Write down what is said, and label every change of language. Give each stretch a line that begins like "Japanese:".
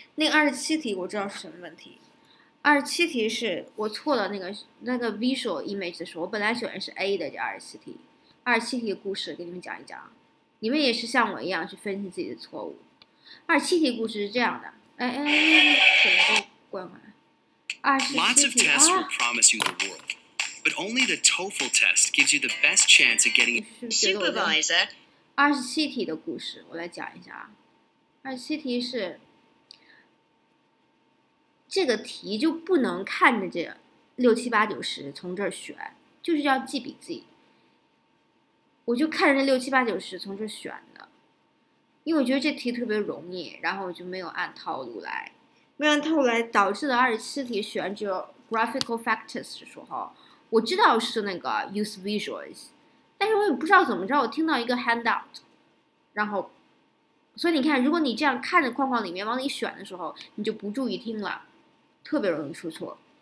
Chinese: 那27题我知道是什么问题，27题是我错了那个 visual image 的时候，我本来选的是 A 的，这27题，27题的故事给你们讲一讲。你们也是像我一样去分析自己的错误。27题故事是这样的，怎么都关回来。
English: Lots of tests will promise you the world, but only the TOEFL test gives you the best chance of getting supervisor.
Chinese: 27题的故事，我来讲一下啊。27题是这个题就不能看着这6、7、8、9、10从这儿选，就是要记笔记。我就看着6、7、8、9、10从这选的，因为我觉得这题特别容易，然后我就没有按套路来，导致了27题选这 graphical factors 的时候，我知道是那个 use visuals， 但是我也不知道怎么着，我听到一个 handout， 然后，所以你看，如果你这样看着框框里面往里选的时候，你就不注意听了，特别容易出错。